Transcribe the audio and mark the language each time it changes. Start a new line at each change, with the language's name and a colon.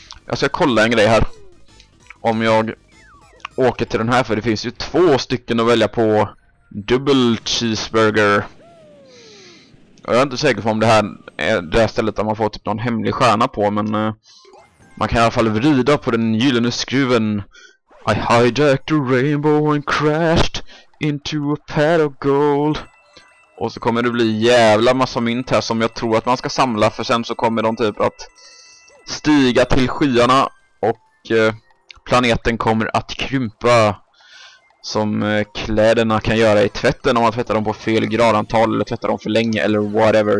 Swedish: Jag ska kolla en grej här. Om jag åker till den här, för det finns ju två stycken att välja på. Double cheeseburger. Jag är inte säker på om det här är det här stället där man får typ någon hemlig stjärna på, men man kan i alla fall vrida på den gyllene skruven.
English: I hijacked a rainbow and crashed into a pad of gold.
Swedish: Och så kommer det bli jävla massa mynt här som jag tror att man ska samla, för sen så kommer de typ att stiga till skyarna och planeten kommer att krympa. Som kläderna kan göra i tvätten om man tvättar dem på fel gradantal eller tvättar dem för länge eller whatever.